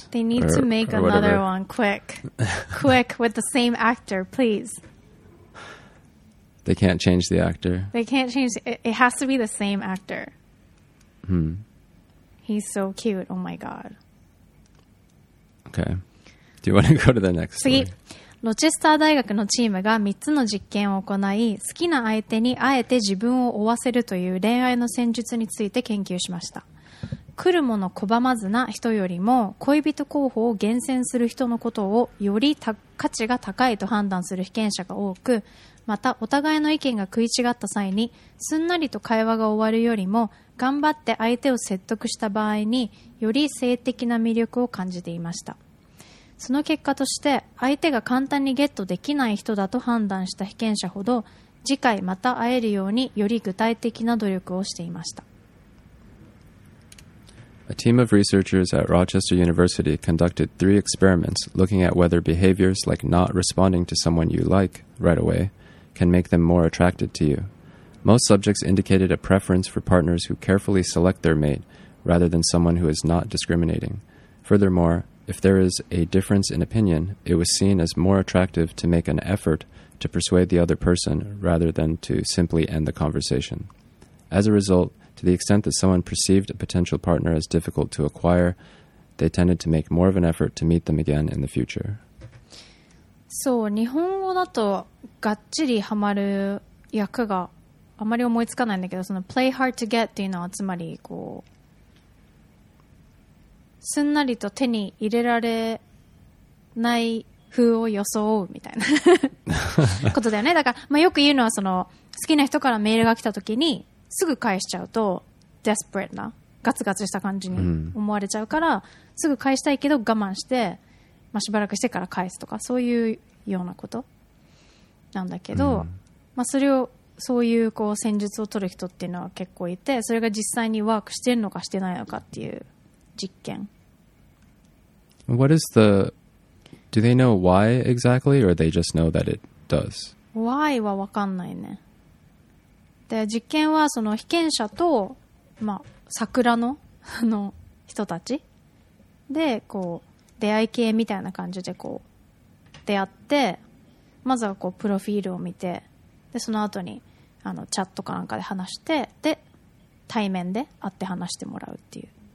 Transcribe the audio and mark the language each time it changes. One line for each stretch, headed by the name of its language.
English: They need to make another one quick. Quick with the same actor, please. They can't change the actor. They can't change it. It has to be the same actor. He's so cute. Oh my god. Okay. Do you want to go to the next one?
Japanese: See, ロチェスター大学のチームが3つの実験を行い、好きな相手にあえて自分を追わせるという恋愛の戦術について研究しました。来るもの拒まずな人よりも恋人候補を厳選する人のことをより価値が高いと判断する被験者が多く、またお互いの意見が食い違った際にすんなりと会話が終わるよりも頑張って相手を説得した場合により性的な魅力を感じていました。その結果として相手が簡単にゲットできない人だと判断した被験者ほど次回また会えるようにより具体的な努力をしていました。
English: A team of researchers at Rochester University conducted 3 experiments looking at whether behaviors like not responding to someone you like right away can make them more attracted to you. Most subjects indicated a preference for partners who carefully select their mate rather than someone who is not discriminating. Furthermore, if there is a difference in opinion, it was seen as more attractive to make an effort to persuade the other person rather than to simply end the conversation. As a result,To the extent that someone perceived a potential partner as difficult to acquire, they tended to make more of an effort to meet them again in the future.
Japanese: そう、日本語だとがっちりハマる役があまり思いつかないんだけど、その
English: play hard to get
Japanese: っていうのはつまりこうすんなりと手に入れられない風を装うみたいなことだよね。だから、まあ、よく言うのはその好きな人からメールが来た時にすぐ返しちゃうとデスプレートなガツガツした感じに思われちゃうから、すぐ返したいけど我慢して、まあ、しばらくしてから返すとかそういうようなことなんだけど、まあ、それをそういうこう戦術を取る人っていうのは結構いて、それが実際にワークしてるのかしてないのかっていう実験。
English: What is the do they know why exactly or they just know that it does?
Japanese: Why は分かんないね。で実験はその被験者と、まあ、桜 の人たちでこう出会い系みたいな感じでこう出会って、まずはこうプロフィールを見て、でその後にあのチャットかなんかで話して、で対面で会って話してもらうっていう、